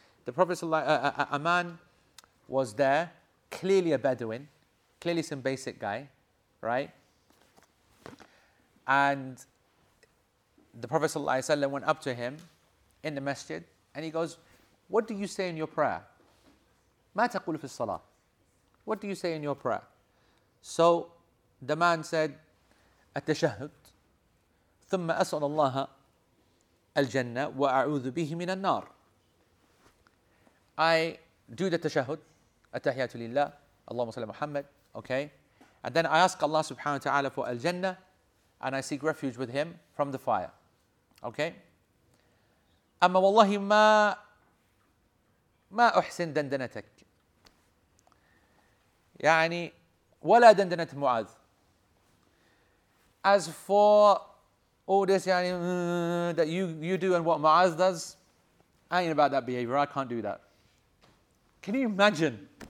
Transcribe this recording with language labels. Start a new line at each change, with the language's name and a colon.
English: The Prophet a man was there, clearly a Bedouin, clearly some basic guy, right? And the Prophet sallallahu alaihi wasallam went up to him in the masjid and he goes, what do you say in your prayer?
Arabic: مَا تَقُولُ فِي الصَّلَاةِ.
English: What do you say in your prayer? So the man said,
Arabic: التشهد ثم أسأل الله الجنة وأعوذ به من النار.
English: I do the tashahud,
Arabic: التحيات لله, اللهم صل محمد,
English: okay? And then I ask Allah subhanahu wa ta'ala for al-jannah and I seek refuge with him from the fire, okay?
Arabic: أما والله ما أحسن دندنتك يعني ولا دندنت معاذ.
English: As for all this يعني, that you do and what Mu'adh does, I ain't about that behavior, I can't do that. Can you imagine?